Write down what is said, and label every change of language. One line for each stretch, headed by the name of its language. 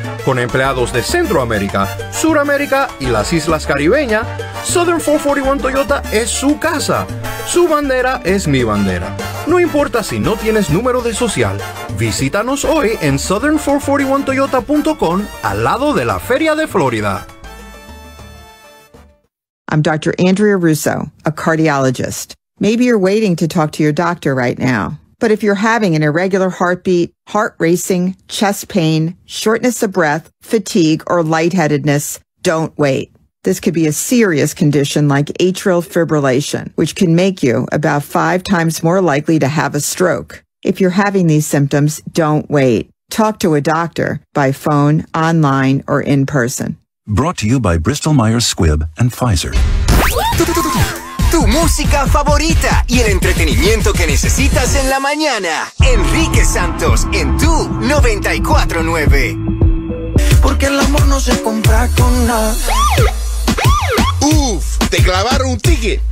Spanish: Con empleados de Centroamérica, Suramérica y las Islas Caribeñas, Southern 441 Toyota es su casa. Su bandera es mi bandera. No importa si no tienes número de social, visítanos hoy en southern441toyota.com al lado de la Feria de Florida.
English: I'm Dr. Andrea Russo, a cardiologist. Maybe you're waiting to talk to your doctor right now. But if you're having an irregular heartbeat, heart racing, chest pain, shortness of breath, fatigue, or lightheadedness, don't wait. This could be a serious condition like atrial fibrillation, which can make you about 5 times more likely to have a stroke. If you're having these symptoms, don't wait. Talk to a doctor by phone, online, or in person. Brought to you by Bristol-Myers Squibb and Pfizer.
Spanish: Tu música favorita y el entretenimiento que necesitas en la mañana. Enrique Santos en tu 94.9. Porque el amor no se compra con nada. Uf, te clavaron un ticket.